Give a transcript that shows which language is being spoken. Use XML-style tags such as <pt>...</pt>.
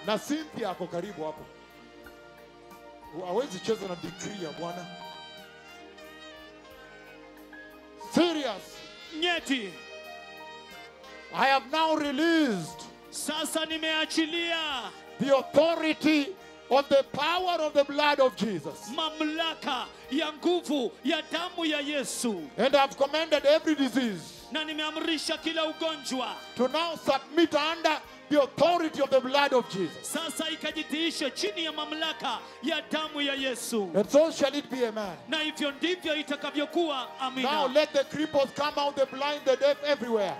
<sw>Na Cynthia ako karibu hapo. Hawezi cheza na decree ya Bwana.</sw> <en>Serious.</en> <sw>Nyeti.</sw> <en>I have now released.</en> <sw>Sasa nimeachilia.</sw> <en>The authority of the power of the blood of Jesus.</en> <sw>Mamlaka ya nguvu ya damu ya Yesu.</sw> <en>And I've commanded every disease.</en> <sw>Na nimeamrisha kila ugonjwa.</sw> <en>To now submit under the authority of the blood of Jesus.</en> <sw>Sasa ikajitiishe chini ya mamlaka ya damu ya Yesu.</sw> <en>And so shall it be, amen.</en> <sw>Na hivyo ndivyo itakavyokuwa, amina.</sw> <en>Now let the cripples come out, the blind, the deaf, everywhere.</en>